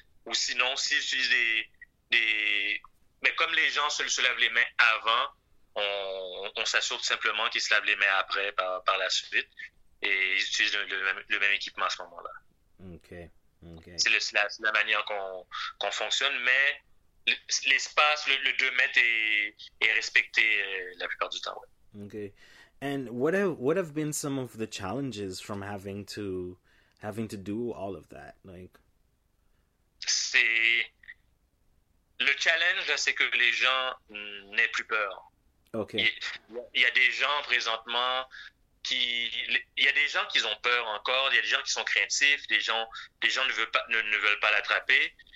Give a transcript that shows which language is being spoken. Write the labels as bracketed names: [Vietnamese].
[French] Ou sinon, s'ils utilisent mais comme les gens se lavent les mains avant, on s'assure tout simplement qu'ils se lavent les mains après par la suite et ils utilisent le même équipement à ce moment-là. OK. C'est la manière qu'on fonctionne, mais l'espace, le 2 mètres est respecté la plupart du temps. Ouais. OK. [English] And what have been some of the challenges from having to do all of that? Like... [French] Le challenge, là, c'est que les gens n'aient plus peur. OK. Il y a des gens présentement qui... Il y a des gens qui ont peur encore, il y a des gens qui sont craintifs, des gens ne veulent pas l'attraper.